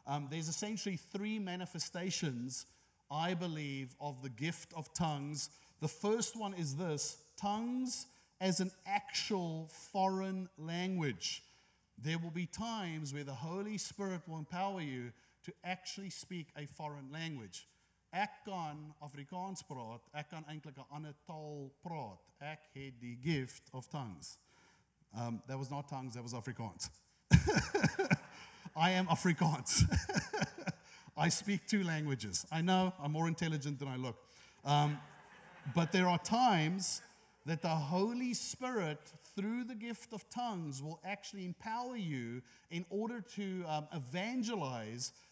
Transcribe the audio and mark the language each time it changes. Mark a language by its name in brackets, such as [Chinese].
[English] There's essentially three manifestations, I believe, of the gift of tongues. The first one is this: tongues as an actual foreign language. There will be times where the Holy Spirit will empower you to actually speak a foreign language. [Afrikaans] Ek kan Afrikaans praat, ek kan eintlik 'n ander taal praat. Ek het die [English] gift of tongues. That was not tongues, that was Afrikaans. I am Afrikaans. I speak two languages. I know, I'm more intelligent than I look. But there are times that the Holy Spirit, through the gift of tongues, will actually empower you in order to evangelize.